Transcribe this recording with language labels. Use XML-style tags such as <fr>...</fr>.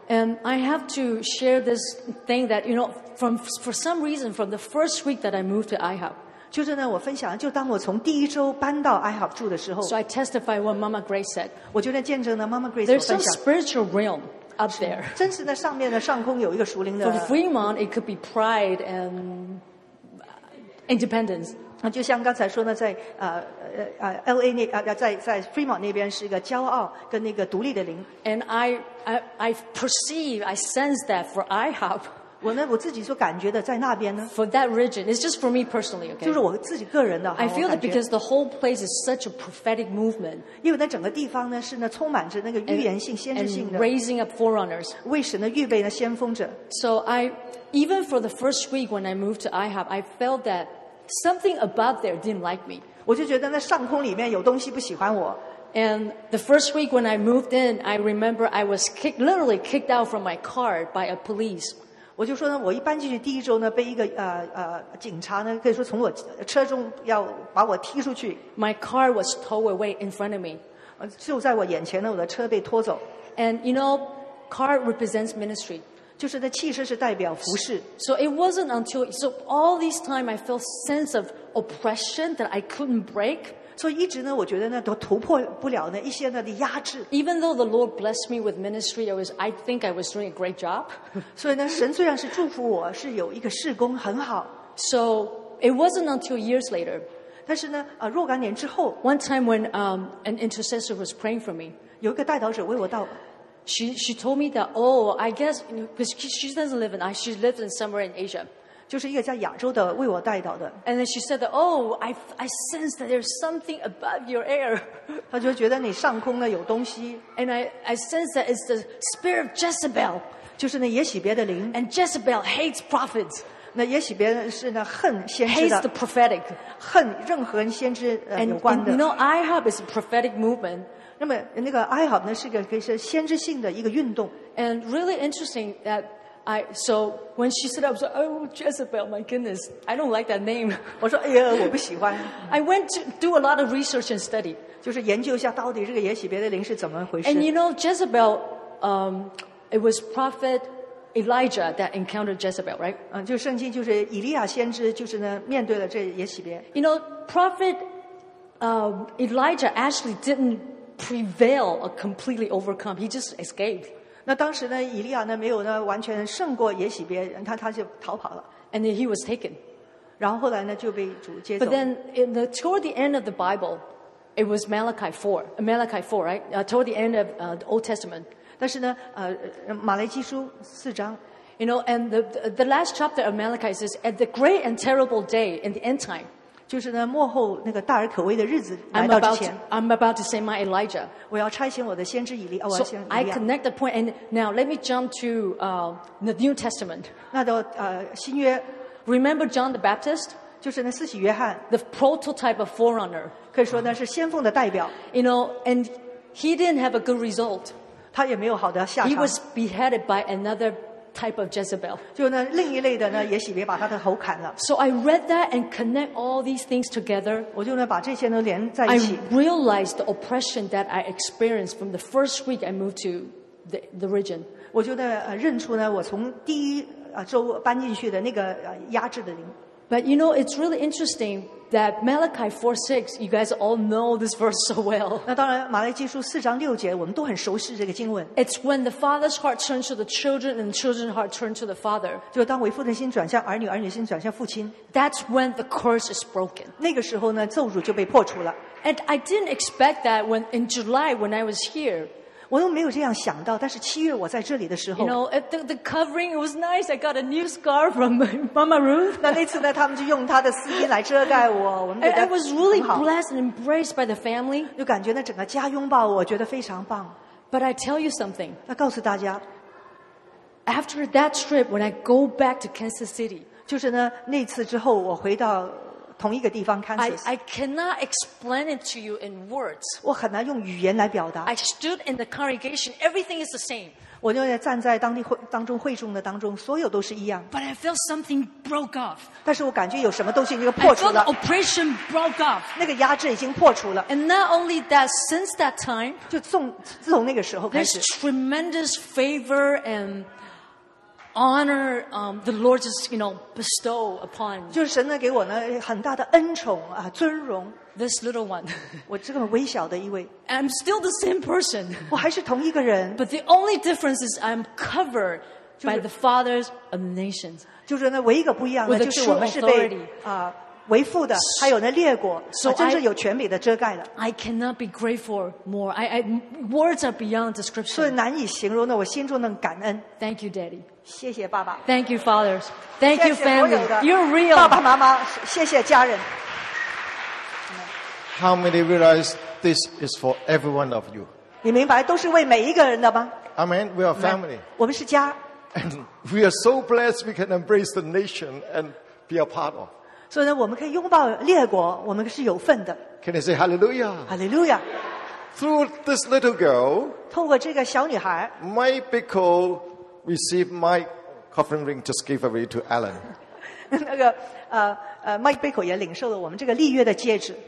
<en>And I have to share this thing that you know, for some reason, from the first week that I moved to IHOP.</en> <zh>就是呢，我分享，就当我从第一周搬到 IHOP 住的时候。</zh> <en>So I testify what Mama Grace said.</en> <zh>我就在见证呢 ，Mama Grace 所分享。</zh> <en>There's some spiritual realm. Up there,</en> <zh>真实的上面的上空有一个属灵的。</zh> <en>For Fremont, it could be pride and independence.</en> <zh>就像刚才说呢，在LA 那在 Fremont 那边是一个骄傲跟那个独立的灵。</zh> <en>And I perceive, I sense that for IHOP.</en> <zh>我呢我自己所感觉的在那边呢。</zh> <en>For that region, it's just for me personally. Okay.</en> <zh>就是我自己个人的。</zh> <en>I feel that because the whole place is such a prophetic movement.</en> <zh>因为那整个地方呢是呢充满着那个预言性、先知性的。</zh> <en>And raising up forerunners.</en> <zh>为神呢预备呢先锋者。</zh> <en>So I even for the first week when I moved to IHOP, I felt that something above there didn't like me.</en> <zh>我就觉得那上空里面有东西不喜欢我。</zh> <en>And the first week when I moved in, I remember I was kicked, literally kicked out from my car by a police.</en> <zh>我就说呢，我一搬进去第一周呢，被一个警察呢，可以说从我车中要把我踢出去。</zh> <en>My car was towed away in front of me.</en> <zh>就在我眼前呢，我的车被拖走。</zh> <en>And you know, car represents ministry.</en> <zh>就是那汽车是代表服事。</zh> <en>So it wasn't until so all this time I felt sense of oppression that I couldn't break.</en> <zh>所以一直呢，我觉得呢都突破不了呢一些那的压制。</zh> <en>Even though the Lord blessed me with ministry, I think I was doing a great job.</en> <zh>所以呢，神虽然是祝福我，是有一个事工很好。</zh> <en>So it wasn't until years later.</en> <zh>但是呢，若干年之后</zh> <en>，One time when an intercessor was praying for me,</en> <zh>有一个代祷者为我祷。</zh> <en>She told me that, oh, I guess because she doesn't live in, she lives in somewhere in Asia.</en> <zh>就是一个在亚洲的为我代祷的。</zh> <en>And then she said, that, "Oh, I sense that there's something above your air."</en> <zh>她就觉得你上空呢有东西。</zh> <en>And I sense that it's the spirit of Jezebel.</en> <zh>就是那耶洗别的灵。</zh> <en>And Jezebel hates prophets.</en> <zh>那耶洗别是那恨先知的。</zh> <en>Hates the prophetic.</en> <zh>恨任何先知有关的。</zh> <en>And you know, IHOP is a prophetic movement.</en> <zh>那么那个 IHOP 呢是个可以说先知性的一个运动。</zh> <en>And really interesting that. So when she said, I was like, oh, Jezebel, my goodness, I don't like that name.</en> <zh>我说哎呀，我不喜欢。</zh> <en>I went to do a lot of research and study.</en> <zh>就是研究一下到底这个耶洗别的灵是怎么回事。</zh> <en>And you know, Jezebel, it was Prophet Elijah that encountered Jezebel, right?</en> <zh>就圣经就是以利亚先知就是呢面对了这耶洗别。</zh> <en>You know, Prophet Elijah actually didn't prevail or completely overcome. He just escaped.</en> <zh>那当时呢，以利亚呢没有呢完全胜过耶洗别，他就逃跑了。</zh> <en>And then he was taken.</en> <zh>然后后来呢就被主接走。</zh> <en>But then in the toward the end of the Bible, it was Malachi 4, right? Toward the end of the Old Testament.</en> <zh>但是呢，马来基书四章。</zh> <en>You know, and the last chapter of Malachi says, "At the great and terrible day in the end time."</en> <zh>就是呢，末后那个大而可畏的日子来到之前。</zh> <en>I'm about to send my Elijah.</en> <zh>我要差遣我的先知以利亚。</zh> <en>So I connect the point, and now let me jump to the New Testament.</en> <zh>那到新约。</zh> <en>Remember John the Baptist?</en> <zh>就是那四喜约翰。</zh> <en>The prototype of forerunner.</en> <zh>可以说呢是先锋的代表。</zh> <en>You know, and he didn't have a good result.</en> <zh>他也没有好的下场。</zh> <en>He was beheaded by another. Type of Jezebel.</en> <zh>就那另一类的呢，也许别把他的头砍了。</zh> <en>So I read that and connect all these things together.</en> <zh>我就呢把这些呢连在一起。</zh> <en>I realized the oppression that I experienced from the first week I moved to the region.</en> <zh>我就呢认出呢我从第一周搬进去的那个压制的灵。</zh> <en>But you know, it's really interesting that Malachi 4:6, you guys all know this verse so well.</en> <zh>那当然，马来基书四章六节，我们都很熟悉这个经文。</zh> <en>It's when the father's heart turns to the children, and the children's heart turns to the father.</en> <zh>就当为父的心转向儿女，儿女心转向父亲。</zh> <en>That's when the curse is broken.</en> <zh>那个时候呢，咒诅就被破除了。</zh> <en>And I didn't expect that when in July when I was here.</en> <zh>我都没有这样想到，但是七月我在这里的时候</zh> <en>，You know, the covering was nice. I got a new scarf from Mama Ruth.</en> <zh>那次呢，他们就用他的丝巾来遮盖我。</zh> <en>I was really blessed and embraced by the family.</en> <zh>就感觉那整个家拥抱我，觉得非常棒。</zh> <en>But I tell you something.</en> <zh>那告诉大家</zh> <en>，After that trip, when I go back to Kansas City,</en> <zh>就是呢那次之后，我回到。同一个地方 Kansas.</zh> <en>I cannot explain it to you in words.</en> <zh>我很难用语言来表达。</zh> <en>I stood in the congregation. Everything is the same.</en> <zh>我就站在当地会当中会众的当中，所有都是一样。</zh> <en>But I felt something broke off.</en> <zh>但是我感觉有什么东西就破除了。</zh> <en>I felt oppression broke off.</en> <zh>那个压制已经破除了。</zh> <en>And not only that, since that time,</en> <zh>就自从那个时候开始</zh> <en>，there's tremendous favor and. Honor, the Lord just, you know, bestow upon.</en> <zh>就是神呢给我呢很大的恩宠啊，尊荣。</zh> <en>This little one.</en> <zh>我这么微小的一位。</zh> <en>I'm still the same person.</en> <zh>我还是同一个人。</zh> <en>But the only difference is I'm covered by the fathers of nations.</en> <zh>就是呢，唯一个不一样的就是我们是被啊为父的，还有那列国，真是有权柄的遮盖了。</zh> <en>I cannot be grateful more. I words are beyond description.</en> <zh>所以难以形容的，我心中的感恩。</zh> <en>Thank you, Daddy.</en> <zh>谢谢爸爸。</zh> <en>Thank you, fathers. Thank you, family. You're real.</en> <zh>爸爸妈妈，谢谢家人。</zh> <en>How many realize this is for every one of you?</en> <zh>你明白都是为每一个人的吗</zh> <en>？Amen. We are family.</en> <zh>我们是家。</zh> <en>And we are so blessed we can embrace the nation and be a part of.</en> <zh>所以呢，我们可以拥抱列国，我们是有份的。</zh> <en>Can I say Hallelujah? Hallelujah. through this little girl,</en> <zh>透过这个小女孩,</zh> <en>my bhikkhu received my coffin ring just gave away to Alan.</en> <zh>那个Mike Bickle 也领受了我们这个立约的戒指。</zh>